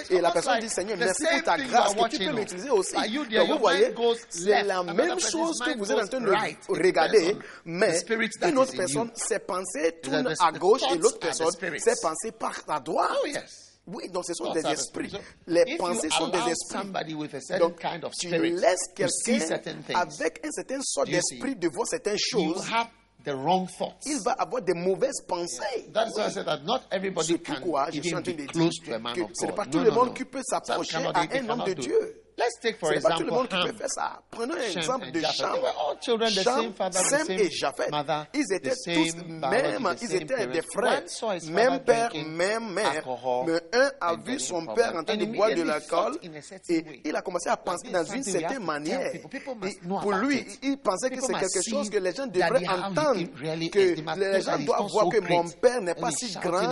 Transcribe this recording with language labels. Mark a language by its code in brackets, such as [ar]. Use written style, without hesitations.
[fr] Et la personne dit, Seigneur, merci pour ta grâce, que tu peux m'utiliser aussi. Donc vous voyez, c'est la même chose que vous êtes en train de regarder, mais une autre personne, ses pensées tournent à gauche, et l'autre personne, ses pensées c'est par la droite. [en] Oh, yes. [fr] Oui, donc ce sont des esprits. Les pensées sont des esprits. Donc, tu laisses quelqu'un avec un certain sort d'esprit de voir certaines choses. [en] The wrong thoughts. [fr] Il va avoir des mauvaises pensées. [en] Yeah. That's why I said that not everybody can even be close to a man of God. [fr] C'est pas tout le monde qui peut s'approcher à un homme de Dieu. [en] Let's take for example. [fr] Tout le monde qui peut faire ça. Prenons un exemple de Shem. [en] They were all children, the same father, the same mother, the same [fr] ils étaient tous même, ils étaient des frères, même père, même mère. Mais un a vu son père en train de boire de l'alcool et il a commencé à penser dans une certaine manière. Pour lui, il pensait que c'est quelque chose que les gens devraient entendre, que les gens doivent voir que mon père n'est pas si grand.